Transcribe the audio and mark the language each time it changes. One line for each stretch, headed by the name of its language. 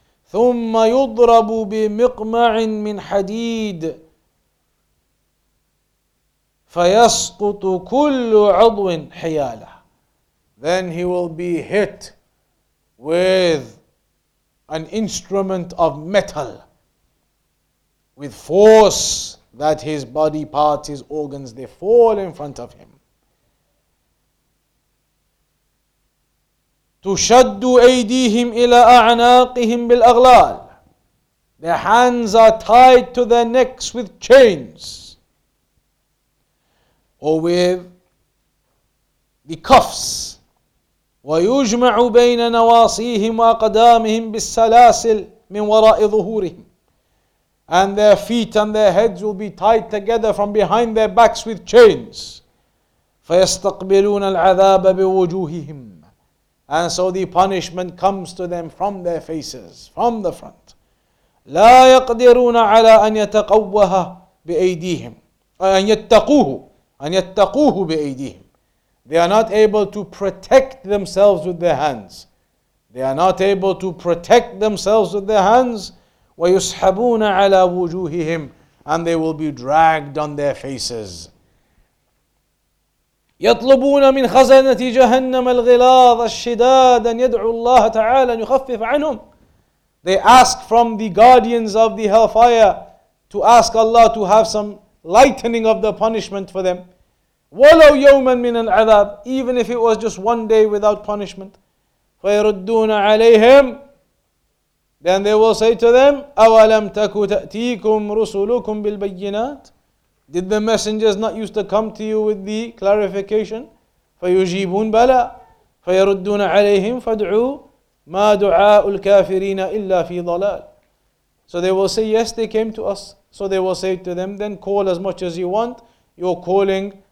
Arabic: ثم يضرب بمقمع من حديد فيسقط كل عضو حياله.
English: Then he will be hit with an instrument of metal, with force, that his body parts, his organs, they fall in front of him.
Arabic: تُشَدُّ أَيْدِيهِمْ إِلَىٰ أَعْنَاقِهِمْ بِالْأَغْلَالِ.
English: Their hands are tied to their necks with chains, or with the cuffs.
Arabic: وَيُجْمَعُ بَيْنَ نَوَاصِيهِمْ وَأَقْدَامِهِمْ بِالسَّلَاسِلِ مِنْ وَرَاءِ ظُهُورِهِمْ.
English: And their feet and their heads will be tied together from behind their backs with chains.
Arabic: فَيَسْتَقْبِلُونَ الْعَذَابَ بِوُجُوهِهِمْ.
English: And so the punishment comes to them from their faces, from the front.
Arabic: لا يقدرون على أن يتقوها بأيديهم. أن يتقوه. أن يتقوه بأيديهم.
English: They are not able to protect themselves with their hands. They are not able to protect themselves with their hands.
Arabic: ويسحبون على وجوههم.
English: And they will be dragged on their faces.
Arabic: يطلبون من خزنة جهنم الغلاظ الشداد أن يدعو الله تعالى أن يخفف عنهم.
English: They ask from the guardians of the hellfire to ask Allah to have some lightening of the punishment for them.
Arabic: ولو يوما من العذاب.
English: Even if it was just one day without punishment.
Arabic: فيردون عليهم.
English: Then they will say to them,
Arabic: أولم تكو تأتيكم رسولكم بالبينات.
English: Did the messengers not used to come to you with the clarification?
Arabic: فَيُجِيبُونَ بَلَىٰ فَيَرُدُّونَ عَلَيْهِمْ فَادْعُوا مَا دُعَاءُ الْكَافِرِينَ إِلَّا فِي ضَلَالٍ.
English: So they will say, yes, they came to us. So they will say to them, then call as much as you want. You're calling